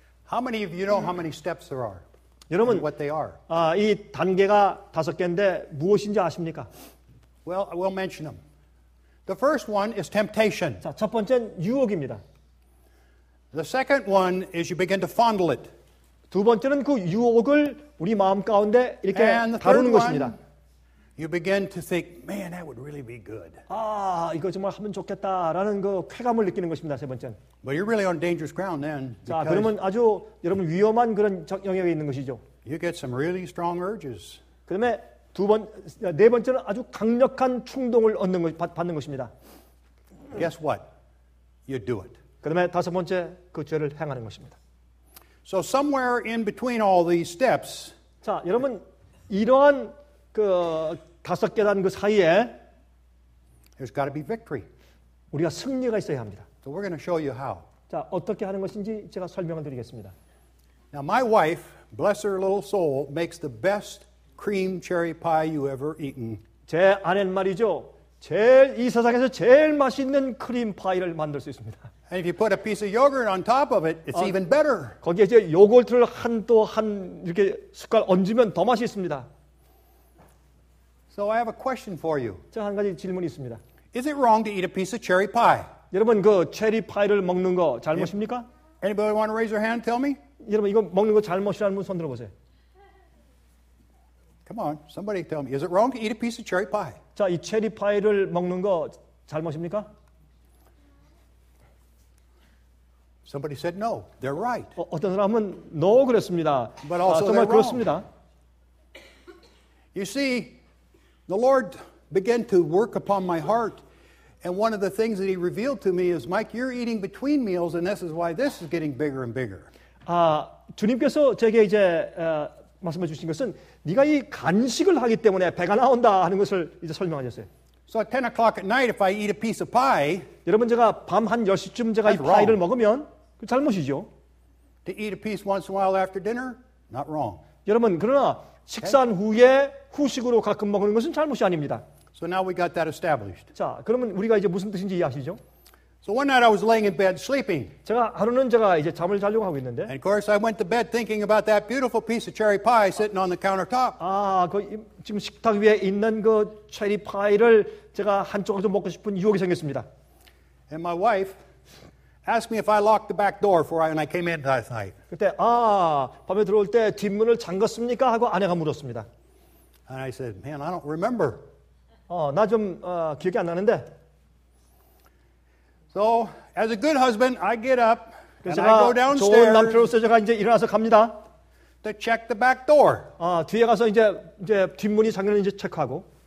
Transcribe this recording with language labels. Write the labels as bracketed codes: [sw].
[en] How many of you know how many steps there are? [ko] 여러분, [en] what they are? [ko] 아, 이 단계가 다섯 개인데 무엇인지 아십니까? [en] Well, I will mention them. The first one is temptation. [ko] 자, 첫 번째는 유혹입니다. [en] The second one is you begin to fondle it. [ko] 두 번째는 그 유혹을 우리 마음 가운데 이렇게 다루는 것입니다. [en] You begin to think, man, that would really be good. [ko] 아, 이거 정말 하면 좋겠다라는 그 쾌감을 느끼는 것입니다. 세 번째. [en] But you're really on dangerous ground then. [ko] 자, 그러면 아주 여러분 위험한 그런 영역에 있는 것이죠. [en] You get some really strong urges. [ko] 그다음에 두 번, 네 번째는 아주 강력한 충동을 얻는 것, 받는 것입니다. [en] Guess what? You do it. [ko] 그다음에 다섯 번째 그 죄를 행하는 것입니다. [en] So somewhere in between all these steps. [ko] 자, 여러분 이러한 그 다섯 계단 그 사이에 [en] there's got to be victory. [ko] 우리가 승리가 있어야 합니다. [en] So we're going to show you how. [ko] 자, 어떻게 하는 것인지 제가 설명을 드리겠습니다. [en] Now my wife, bless her little soul, makes the best cream cherry pie you ever eaten. [ko] 제 아내는 말이죠. 제일 이 세상에서 제일 맛있는 크림 파이를 만들 수 있습니다. [en] And if you put a piece of yogurt on top of it, it's even better. [ko] 거기에 이제 요거트를 한 또 한 이렇게 숟갈 얹으면 더 맛있습니다. [en] So I have a question for you. [ko] 저 한 가지 질문이 있습니다. [en] Is it wrong to eat a piece of cherry pie? [ko] 여러분 그 체리 파이를 먹는 거 잘못입니까? [en] Anybody want to raise your hand? Tell me. [ko] 여러분 이거 먹는 거 잘못이라는 분 손 들어 보세요. [en] Come on, somebody tell me. Is it wrong to eat a piece of cherry pie? [ko] 자, 이 체리 파이를 먹는 거 잘못입니까? [en] Somebody said no. They're right. [ko] 어떤 사람은 no 그랬습니다. [en] But also [ko] 정말 [en] they're [ko] 그렇습니다. [en] Wrong. You see, the Lord began to work upon my heart. And one of the things that he revealed to me is, Mike, you're eating between meals, and this is why this is getting bigger and bigger. [ko] 아, 주님께서 제게 이제 말씀해 주신 것은 네가 이 간식을 하기 때문에 배가 나온다 하는 것을 이제 설명하셨어요. [en] So at 10 o'clock at night, if I eat a piece of pie, [ko] 여러분 제가 밤 한 10시쯤 제가 이 파이를 [en] wrong. [ko] 먹으면 그 잘못이죠. [en] To eat a piece once in a while after dinner, not wrong. [ko] 여러분 그러나 식사한 okay. 후에 후식으로 가끔 먹는 것은 잘못이 아닙니다. [en] So now we got that established. [ko] 자, 그러면 우리가 이제 무슨 뜻인지 이해하시죠? [en] So one night I was laying in bed sleeping. [ko] 제가 하루는 제가 이제 잠을 자려고 하고 있는데. [en] And of course I went to bed thinking about that beautiful piece of cherry pie sitting on the countertop. [ko] 아, 그 지금 식탁 위에 있는 그 체리 파이를 제가 한 조각 좀 먹고 싶은 유혹이 생겼습니다. [en] And my wife asked me if I locked the back door for when I came in that night. [ko] 그때 아, 밤에 들어올 때 뒷문을 잠갔습니까? 하고 아내가 물었습니다. [en] And I said, "Man, I don't remember." [ko] 나 좀 기억이 안 나는데. [en] So, as a good husband, I get up and I go downstairs. [ko] 좋은 남편으로서 제가 이제 일어나서 갑니다. [en] To check the back door. [ko] 뒤에 가서 이제 뒷문이 잠겼는지 체크하고.